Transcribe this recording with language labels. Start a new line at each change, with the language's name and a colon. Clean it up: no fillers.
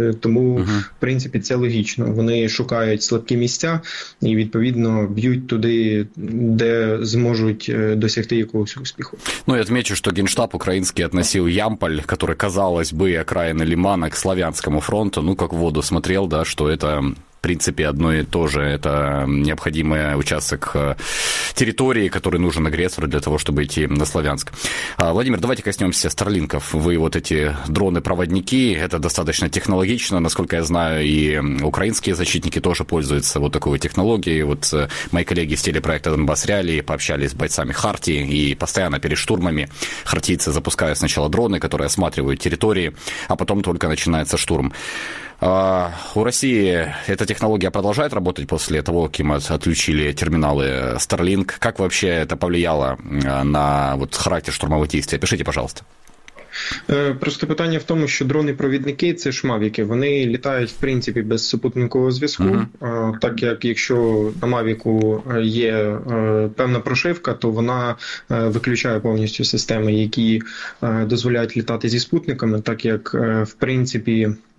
Ukrainian: Тому, в принципі, це логічно. Вони шукають слабкі місця і, відповідно, б'ють туди, де зможуть досягти якогось успіху. Ну, я відмічу, що Генштаб український относив Ямполь, який,
Russian: казалось би,
Ukrainian: окраїна Лимана, к Слов'янському фронту, ну,
Russian: як в воду смотрел,
Ukrainian: да, що це...
Russian: В принципе, одно и то же. Это необходимый участок территории, который нужен агрессору для того, чтобы идти на Славянск. Владимир, давайте коснемся Старлинков. Вы вот эти дроны-проводники, это достаточно технологично. Насколько я знаю, и украинские защитники тоже пользуются вот такой технологией. Вот мои коллеги из телепроекта «Донбасс Реалии» пообщались с бойцами «Харти», и постоянно перед штурмами хартийцы запускают сначала дроны, которые осматривают территории, а потом только начинается штурм. У России эта технология продолжает работать после того, как им отключили терминалы Starlink? Как вообще это повлияло на вот характер штурмовых действий? Пишите, пожалуйста.
Ukrainian: Просто питання в тому, що дрони-провідники – це ж мавіки. Вони літають, в принципі, без супутникового зв'язку. Так як якщо на мавіку є певна прошивка, то вона виключає повністю системи, які дозволяють літати зі спутниками, так як, в принципі,